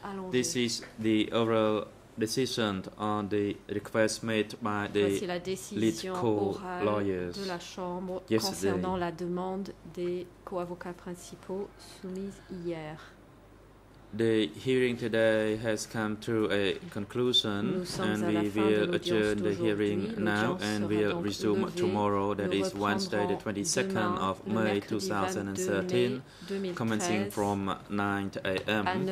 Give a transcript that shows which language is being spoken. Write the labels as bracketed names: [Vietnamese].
[English] This is the overall decision on the request made by the lead co-lawyers [French] concernant la demande des co-avocats principaux soumise hier. [English] The hearing today has come to a conclusion, and we will adjourn the hearing now and will resume tomorrow, that is Wednesday, the 22nd of May 2013, commencing from 9 a.m.